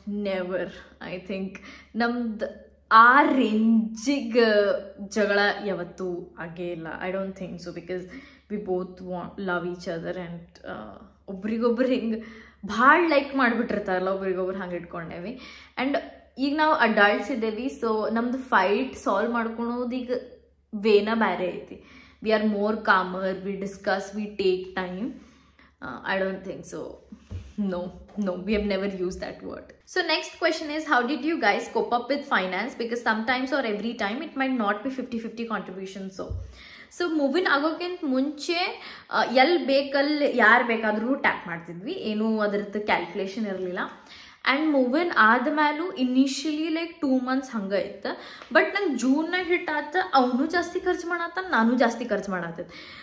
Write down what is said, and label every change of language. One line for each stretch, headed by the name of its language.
English: Never. I think
Kannada: ನಮ್ದು ಆ ರೇಂಜಿಗೆ ಜಗಳ ಯಾವತ್ತೂ ಆಗೇ ಇಲ್ಲ,
English: I don't think so, because we both love each other
Kannada: and ಒಬ್ರಿಗೊಬ್ರು ಹಿಂಗೆ ಭಾಳ ಲೈಕ್ ಮಾಡಿಬಿಟ್ಟಿರ್ತಾರಲ್ಲ ಒಬ್ರಿಗೊಬ್ರು ಹಂಗೆ ಇಟ್ಕೊಂಡೇವಿ. ಆ್ಯಂಡ್ ಈಗ ನಾವು ಅಡಲ್ಟ್ಸ್ ಇದ್ದೇವೆ, ಸೊ ನಮ್ಮದು ಫೈಟ್ ಸಾಲ್ವ್ ಮಾಡ್ಕೊಳೋದು ಈಗ ವೇನ ಬೇರೆ ಐತಿ.
English: We are more calmer, we discuss, we take time. I don't think so, no no, we have never used that word. So next question is, how did you guys cope up with finance? Because sometimes or every time it might not be 50-50 contribution.
Kannada: So move in ಆಗೋಕ್ಕಿಂತ ಮುಂಚೆ ಎಲ್ಲಿ ಬೇಕಲ್ಲಿ ಯಾರು ಬೇಕಾದರೂ tap ಮಾಡ್ತಿದ್ವಿ, ಏನೂ ಅದರದ್ದು calculation ಇರಲಿಲ್ಲ. And move in ಆದಮೇಲೂ initially like 2 months ಹಂಗೆ ಇತ್ತು, ಬಟ್ ನಂಗೆ ಜೂನ್ನಾಗ ಹಿಟ್ ಆತ ಅವನು ಜಾಸ್ತಿ ಖರ್ಚು ಮಾಡತ್ತ, ನಾನು ಜಾಸ್ತಿ ಖರ್ಚು ಮಾಡತ್ತೈತೆ.